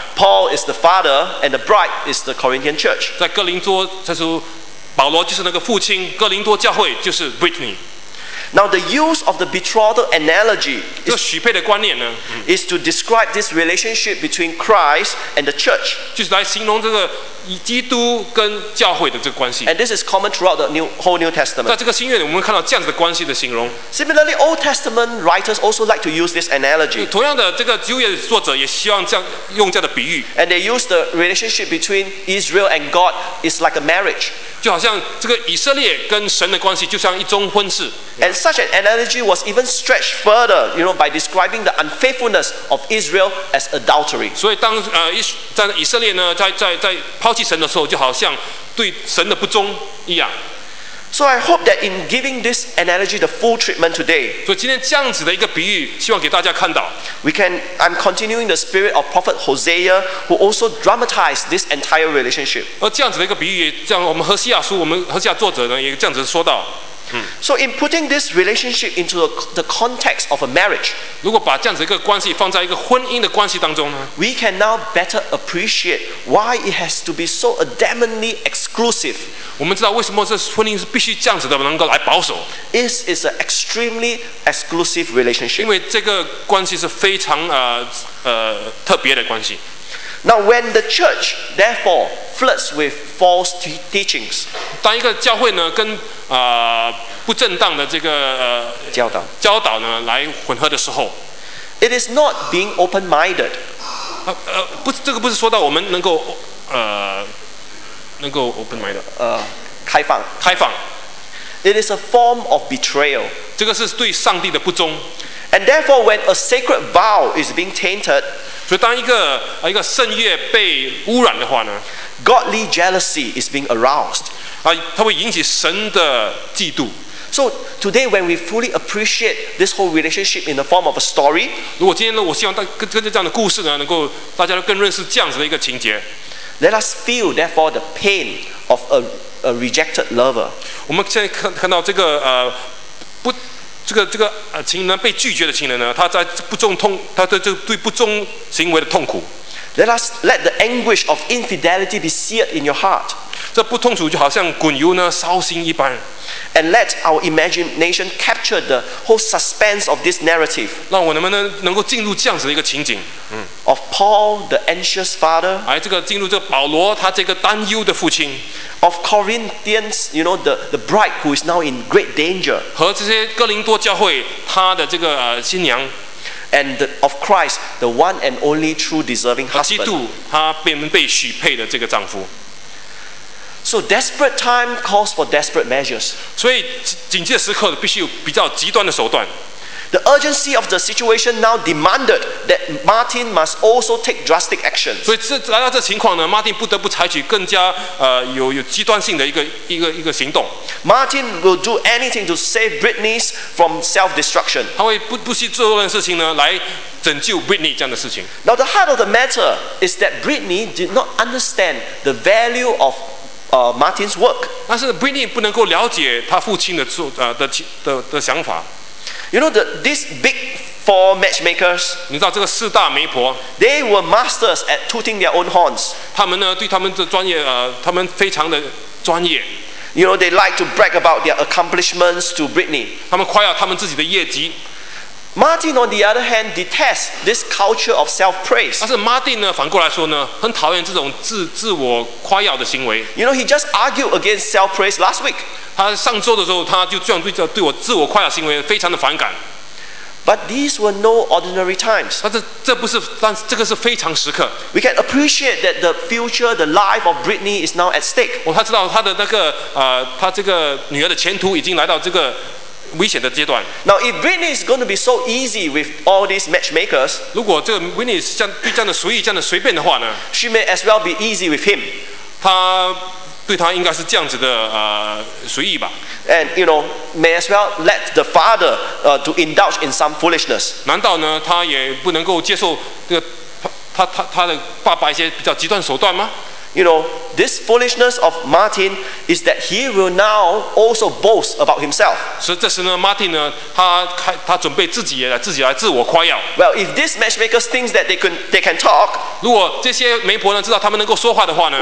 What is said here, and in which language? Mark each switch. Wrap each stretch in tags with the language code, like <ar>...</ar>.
<en>，Paul is the father, and the bride is the Corinthian church.</en> <zh>在哥林多他说。保罗就是那个父亲，哥林多教会就是 Brittany。</zh> <en>Now the use of the betrothal analogy，</en> <zh>这许配的观念呢</zh> <en>，is to describe this relationship between Christ and the church，</en> <zh>就是来形容这个基督跟教会的这个关系。</zh> <en>And this is common throughout the whole New Testament。</en> <zh>在这个新约里，我们看到这样子的关系的形容。</zh> <en>Similarly, Old Testament writers also like to use this analogy。</en> <zh>同样的，这个旧约作者也希望这样用这样的比喻。</zh> <en>And they use the relationship between Israel and God is like a marriage。</en> <zh>就好像这个以色列跟神的关系就像一桩婚事。</zh> <en>And such an analogy was even stretched further, you know, by describing the unfaithfulness of Israel as adultery.</en> <zh>所以当以色列呢，在抛弃神的时候，就好像对神的不忠一样。</zh> <en>So I hope that in giving this analogy the full treatment today,</en> <zh>所以今天这样子的一个比喻，希望给大家看到。</zh> <en>I'm continuing the spirit of Prophet Hosea, who also dramatized this entire relationship.</en> <zh>而这样子的一个比喻，像我们何西亚书，我们何西亚作者呢，也这样子说到。</zh> <en>So in putting this relationship into the context of a marriage,</en> <zh>如果把这样子一个关系放在一个婚姻的关系当中呢</zh> <en>，we can now better appreciate why it has to be so adamantly exclusive.</en> <zh>我们知道为什么这婚姻是必须这样子的，能够来保守。</zh> <en>This is an extremely exclusive relationship.</en> <zh>因为这个关系是非常特别的关系。</zh> <en>Now, when the church therefore flirts with false teachings,</en> <zh>当一个教会呢跟不正当的这个教导呢来混合的时候</zh> <en>，it is not being open-minded.</en> <zh>不，这个不是说到我们能够</zh> <en>open-minded，</en> <zh>开放。</zh> <en>It is a form of betrayal.</en> <zh>这个是对上帝的不忠。</zh> <en>And therefore, when a sacred vow is being tainted,</en> <zh>所以当一个圣约被污染的话呢</zh> <en>，godly jealousy is being aroused.</en> <zh>啊，它会引起神的嫉妒。</zh> <en>So today, when we fully appreciate this whole relationship in the form of a story,</en> <zh>如果今天呢，我希望跟着这样的故事呢，能够大家都更认识这样子的一个情节。</zh> <en>Let us feel, therefore, the pain of a rejected lover.</en> <zh>我们现在看到这个不。这个情人被拒绝的情人呢，他在不忠痛，他的这对不忠行为的痛苦。</zh> <en>Let the anguish of infidelity be seared in your heart。</en> <zh>这不痛楚就好像滚油呢，烧心一般。</zh> <en>And let our imagination capture the whole suspense of this narrative。</en> <zh>让我们能够进入这样子的一个情景。</zh> <en>Of Paul, the anxious father。</en> <zh>哎，这个进入这个保罗他这个担忧的父亲。</zh> <en>Of Corinthians, you know, the bride who is now in great danger.</en> <zh>和这些哥林多教会他的这个新娘。</zh> <en>And of Christ, the one and only true deserving husband.</en> <zh>基督他被许配的这个丈夫。</zh> <en>So desperate time calls for desperate measures.</en> <zh>所以紧急的时刻必须有比较极端的手段。</zh> <en>The urgency of the situation now demanded that Martin must also take drastic action.</en> <zh>所以来到这情况呢 ，Martin 不得不采取更加有极端性的一个行动。</zh> <en>Martin will do anything to save Britney's from self-destruction.</en> <zh>他会不惜做任何事情呢来拯救 Britney 这样的事情。</zh> <en>Now the heart of the matter is that Britney did not understand the value of Martin's work.</en> <zh>但是 Britney 不能够了解他父亲的想法。</zh> <en>You know these big four matchmakers.</en> <zh>你知道这个四大媒婆</zh> <en>？They were masters at tooting their own horns.</en> <zh>他们呢，对他们的专业，他们非常的专业。</zh> <en>You know they like to brag about their accomplishments to Britney.</en> <zh>他们夸耀他们自己的业绩。</zh> <en>Martin, on the other hand, detests this culture of self-praise.</en> <zh>但是 Martin 呢，反过来说呢，很讨厌这种自我夸耀的行为。</zh> <en>You know he just argued against self-praise last week.</en> <zh>他上周的时候，他就这样对我自我夸耀行为非常的反感。</zh> <en>But these were no ordinary times.</en> <zh>但这个是非常时刻。</zh> <en>We can appreciate that the future, the life of Britney is now at stake.</en> <zh>他知道他的那个他这个女儿的前途已经来到这个。危险的阶段。</zh> <en>Now, if Britney is going to be so easy with all these matchmakers,</en> <zh>如果这个 Britney 这样的随意、这样的随便的话呢</zh> <en>？She may as well be easy with him.</en> <zh>他对他应该是这样子的随意吧</zh> <en>？And you know, may as well let the father to indulge in some foolishness.</en> <zh>难道呢，他也不能够接受这个他的爸爸一些比较极端手段吗？</zh> <en>You know, this foolishness of Martin is that he will now also boast about himself.</en> <zh>所以这时呢 ，Martin 呢，他准备自己来自我夸耀。</zh> <en>Well, if these matchmakers think that they can talk,</en> <zh>如果这些媒婆呢知道他们能够说话的话呢</zh>